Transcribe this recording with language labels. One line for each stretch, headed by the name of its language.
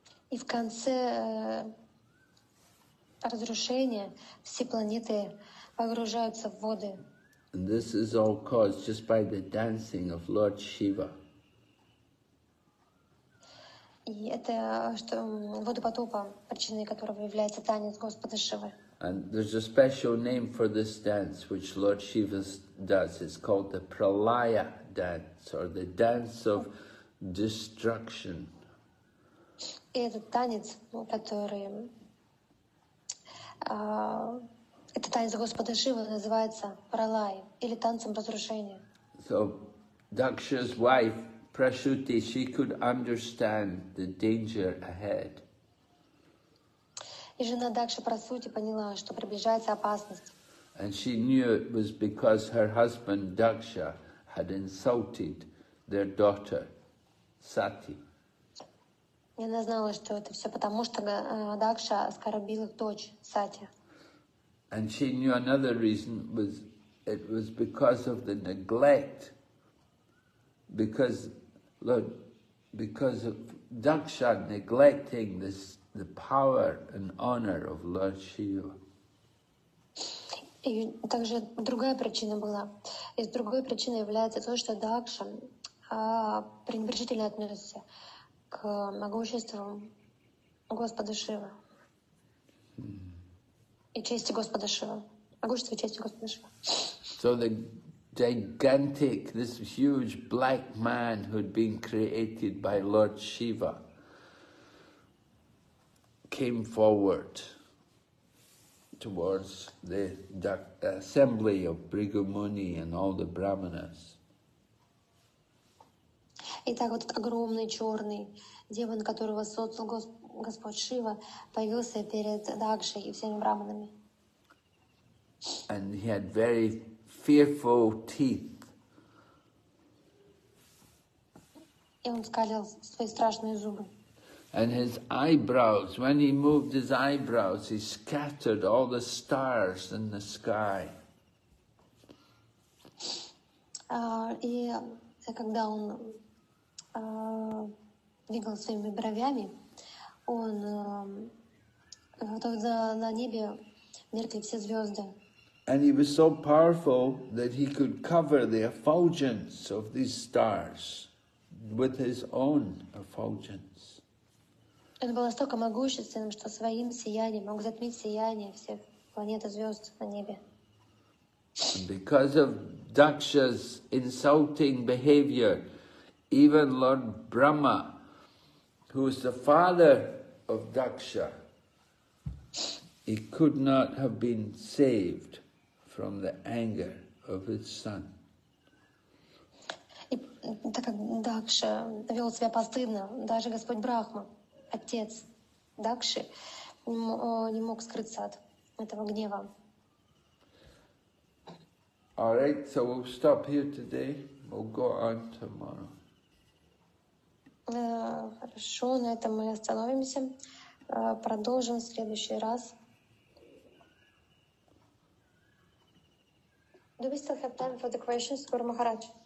Russian: И в конце разрушения все планеты погружаются в воды.
English: And this is all caused just by the dancing of Lord Shiva.
Russian: И это что воды потопа, причиной которого является танец Господа Шивы.
English: And there's a special name for this dance which Lord Shiva does. It's called the Pralaya dance or the dance of destruction.
Russian: И этот танец, который, это танец Господа Шивы называется Пралай или танцем разрушения.
English: So Daksha's wife Prasuti, she could understand the danger ahead.
Russian: И жена Дакши Прасути поняла, что приближается опасность.
English: And she knew it was because her husband Daksha had insulted their daughter Sati.
Russian: И она знала, что это все потому, что Дакша оскорбил их дочь, Сати.
English: And she knew another reason was, it was because of the neglect. Because, Lord, because of Дакша neglecting this, the power and honor of Lord Shiva.
Russian: И также другая причина была. И другой причиной является то, что Дакша пренебрежительно относится к могуществу Господа Шива. И чести Господа Шива. Могущество и чести Господа Шива.
English: So the gigantic, this huge black man who had been created by Lord Shiva came forward towards the assembly of Bhrigu Muni and all the Brahmanas.
Russian: И так вот огромный черный демон, которого создал Господь Шива, появился перед Дакшей и всеми браманами.
English: And he had very fearful teeth.
Russian: И он скалил свои страшные зубы.
English: And his eyebrows, when he moved his eyebrows, he scattered all the stars in the sky.
Russian: И когда он двигал своими бровями, он тогда на небе меркли все звезды.
English: And he was so powerful that he could cover the effulgence of these stars with his own effulgence.
Russian: Он был настолько могущественным, что своим сиянием мог затмить сияние всех планет и звезд на небе.
English: And because of Daksha's insulting behavior, even Lord Brahma, who is the father of Daksha, he could not have been saved from the anger of his son.
Russian: И так как Дакша вел себя постыдно, даже Господь Брахма, отец Дакши, не мог скрыться от этого гнева.
English: All right, so we'll stop here today. We'll go on tomorrow.
Russian: Хорошо, на этом мы остановимся. Продолжим в следующий раз.
English: Do we still have time for the questions, Guru Maharaj?